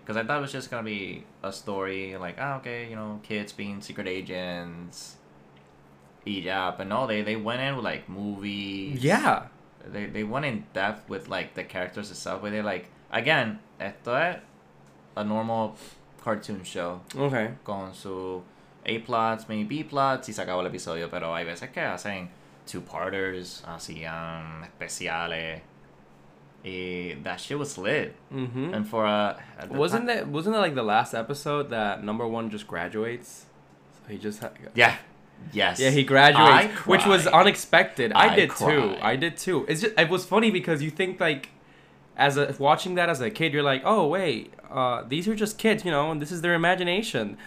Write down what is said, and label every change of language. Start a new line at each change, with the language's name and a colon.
English: Because I thought it was just going to be a story like, you know, kids being secret agents. Yeah, but no, they went in with, like, movies. Yeah. They went in depth with, like, the characters itself, where they're like, again,
Spanish: esto es
English: a normal cartoon show. Okay.
Spanish: Con su
English: A plots, maybe B plots,
Spanish: y se acabó el episodio. Pero hay veces que hacen two-parters, hacían especiales.
English: Y that shit was lit. Mm-hmm. And for wasn't it like the last episode that number one just graduates? So he just Yeah. Yes. Yeah, he graduates. Which was unexpected. I did too. It's just, it was funny because you think, like, watching that as a kid, you're like, oh, wait, these are just kids, you know, and this is their imagination.